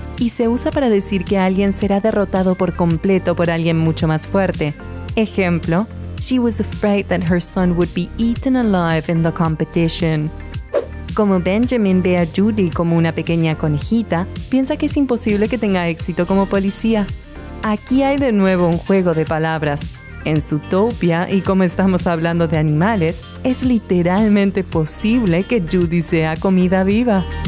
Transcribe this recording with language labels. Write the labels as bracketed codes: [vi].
[es] Y se usa para decir que alguien será derrotado por completo por alguien mucho más fuerte. [en] Ejemplo, she was afraid that her son would be eaten alive in the competition. [es] Como Benjamin ve a Judy como una pequeña conejita, piensa que es imposible que tenga éxito como policía. Aquí hay de nuevo un juego de palabras. En Zootopia, y como estamos hablando de animales, es literalmente posible que Judy sea comida viva.